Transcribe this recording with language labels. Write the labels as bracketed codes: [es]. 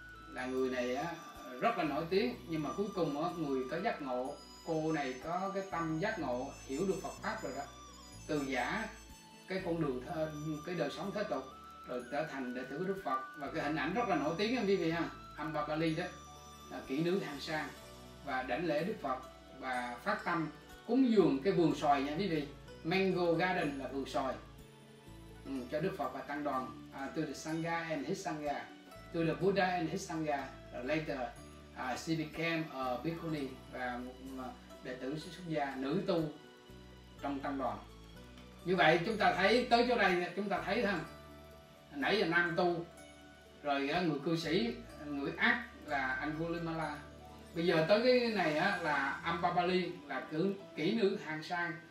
[vi] Là người này rất là nổi tiếng, nhưng mà cuối cùng người có giác ngộ, cô này có cái tâm giác ngộ, hiểu được Phật pháp rồi đó, từ giả cái con đường cái đời sống thế tục rồi trở thành đệ tử Đức Phật. Và cái hình ảnh rất là nổi tiếng quý vị ha, Ampabali đó là kỹ nữ hàng sang và đảnh lễ Đức Phật và phát tâm cúng dường cái vườn xoài nha quý vị, [en] mango garden [vi] là vườn xoài, cho Đức Phật và tăng đoàn. [en] To the sangha and his sangha, to the Buddha and his sangha. Later she became a bhikkhuni, [vi] và đệ tử xuất gia nữ tu trong tăng đoàn. Như vậy chúng ta thấy tới chỗ này, chúng ta thấy ha, nãy giờ nam tu rồi người cư sĩ, người ác là Angulimala, bây giờ tới cái này là Ampabali là kỹ nữ hàng sang.